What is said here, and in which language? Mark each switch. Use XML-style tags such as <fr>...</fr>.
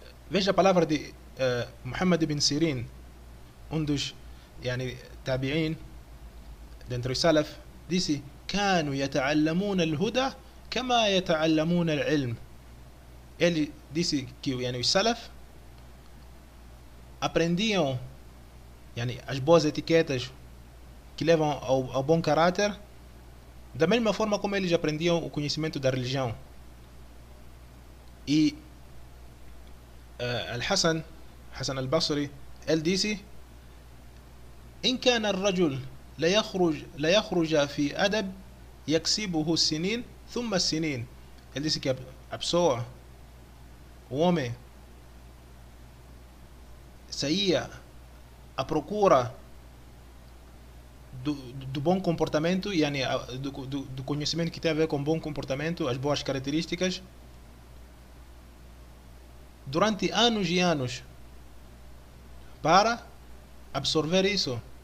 <pt>Veja a palavra de Muhammad ibn Sirin, um dos tabi'in dentre os salaf, disse:</pt> <ar>كانوا يتعلمون الهدى كما يتعلمون العلم.</ar> <pt>Ele disse que os salaf aprendiam as boas etiquetas que levam ao bom caráter da mesma forma como eles aprendiam o conhecimento da religião. E Hassan al-Basri, ele disse:</pt> <ar>إن كان الرجل لا يخرج في أدب يكسبه السنين ثم السنين.</ar> <pt>Ele disse que a pessoa, o homem, saía à procura do bom comportamento, do conhecimento que tem a ver com bom comportamento, as boas características, durante anos e anos, para absorver isso.</pt>